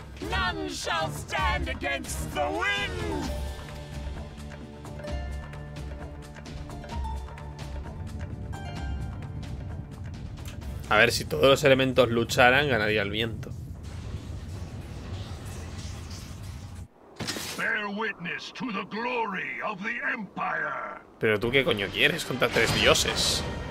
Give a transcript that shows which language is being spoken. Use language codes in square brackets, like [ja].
[en] None shall stand against the wind. [es] A ver, si todos los elementos lucharan, ganaría el viento. [en] Bear witness to the glory of the Empire. [es] Pero tú qué coño quieres contra tres dioses.